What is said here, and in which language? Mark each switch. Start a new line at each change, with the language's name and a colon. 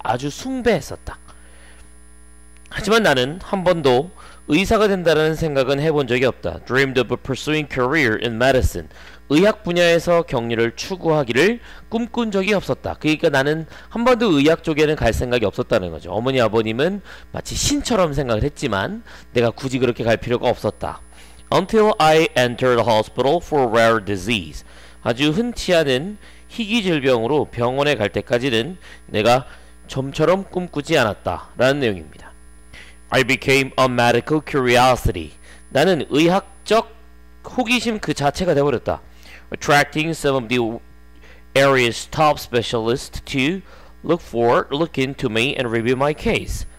Korean: 아주 숭배했었다. 하지만 나는 한 번도 의사가 된다는 생각은 해본 적이 없다.
English: Dreamed of pursuing career in medicine.
Korean: 의학 분야에서 경리를 추구하기를 꿈꾼 적이 없었다. 그러니까 나는 한 번도 의학 쪽에는 갈 생각이 없었다는 거죠. 어머니 아버님은 마치 신처럼 생각을 했지만 내가 굳이 그렇게 갈 필요가 없었다.
English: Until I entered the hospital for rare disease.
Korean: 아주 흔치 않은 희귀 질병으로 병원에 갈 때까지는 내가 좀처럼 꿈꾸지 않았다라는 내용입니다.
English: I became a medical curiosity.
Korean: 나는 의학적 호기심 그 자체가 되어버렸다.
English: Attracting some of the area's top specialists to look into me and review my case.